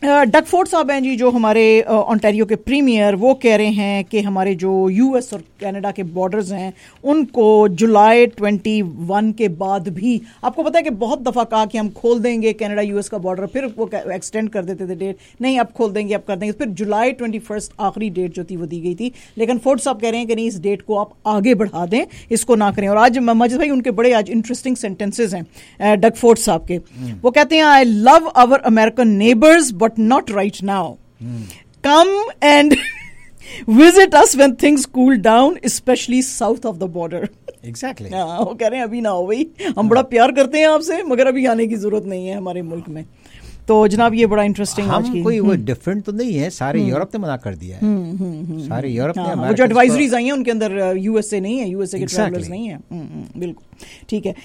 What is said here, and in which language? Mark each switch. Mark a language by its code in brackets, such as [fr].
[ur] ڈگ Ford صاحب ہیں جی جو ہمارے اونٹیریو کے پریمیئر, وہ کہہ رہے ہیں کہ ہمارے جو یو ایس اور کینیڈا کے بارڈرز ہیں ان کو جولائی 21 کے بعد بھی, آپ کو پتا ہے کہ بہت دفعہ کہا کہ ہم کھول دیں گے کینیڈا یو ایس کا بارڈر, پھر وہ ایکسٹینڈ کر دیتے تھے ڈیٹ, نہیں اب کھول دیں گے اب کر دیں گے, پھر جولائی 21 آخری ڈیٹ جو تھی وہ دی گئی تھی. لیکن فورڈ صاحب کہہ رہے ہیں کہ نہیں, اس ڈیٹ کو آپ آگے بڑھا دیں, اس کو نہ کریں. اور آج ماجد بھائی ان کے بڑے آج انٹرسٹنگ سینٹنسز ہیں ڈگ فورڈ صاحب کے. وہ کہتے ہیں [en] I love our American neighbours but not right now. Come and visit us when things cool down, especially south of the border. Exactly. [ur] وہ کہہ رہے ہیں ابھی نہ ہو بھائی, ہم بڑا پیار کرتے ہیں آپ سے مگر ابھی آنے کی ضرورت نہیں ہے ہمارے ملک میں. تو جناب یہ بڑا انٹرسٹنگ, کوئی وہ ڈفرنٹ تو نہیں ہے, سارے یورپ نے منع کر دیا ہے, سارے یورپ نے جو ایڈوائزریز آئی ہیں ان کے اندر یو ایس اے نہیں ہے, یو ایس اے کے ٹریولرز نہیں ہیں. بالکل ٹھیک ہے.